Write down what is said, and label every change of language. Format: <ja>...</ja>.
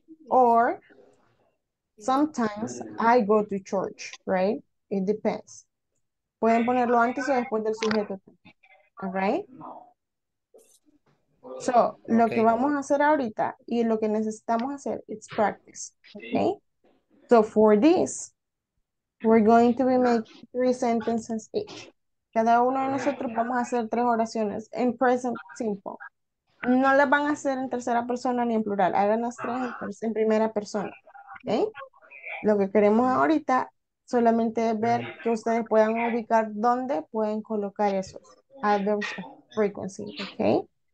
<en>Or sometimes I go to church, right? It depends.</en> <es>Pueden ponerlo antes o después del sujeto.</es> <en>All right?</en> <es>So, lo que Okay. vamos a hacer ahorita y lo que necesitamos hacer es practice. Okay?</es> <en>So, for this, we're going to be making three sentences each.</en> <es>Cada uno de nosotros vamos a hacer tres oraciones en present simple. No las van a hacer en tercera persona ni en plural. Hagan las tres en primera persona. Okay? Lo que queremos ahorita solamente es ver que ustedes puedan ubicar dónde pueden colocar esos adverbs of frequency, ¿ok?</es>